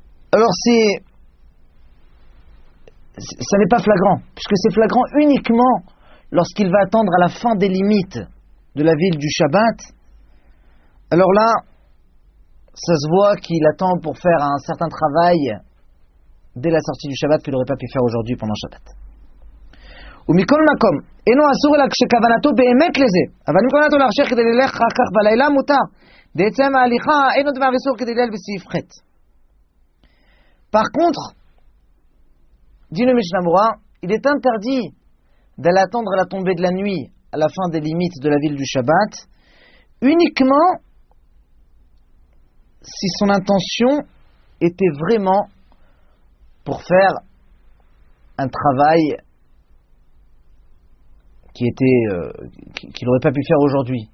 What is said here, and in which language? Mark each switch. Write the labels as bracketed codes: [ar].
[fr] Alors c'est, ça n'est pas flagrant, puisque c'est flagrant uniquement lorsqu'il va attendre à la fin des limites de la ville du Shabbat. Alors là, ça se voit qu'il attend pour faire un certain travail dès la sortie du Shabbat qu'il n'aurait pas pu faire aujourd'hui pendant Shabbat. [he] ומכל מקום, אינו אסור אלא כשכוונתו באמת לזה. אבל אם כוונתו להרשיח כדי ללך אחר כך בלילה מותר. בעצם ההליכה אינו דבר אסור כדי ללך בסעיף ח'. [fr] Par contre, dit le Mishnah Moura, il est interdit d'aller attendre la tombée de la nuit à la fin des limites de la ville du Shabbat, uniquement si son intention était vraiment pour faire un travail qu'il n'aurait pas pu faire aujourd'hui.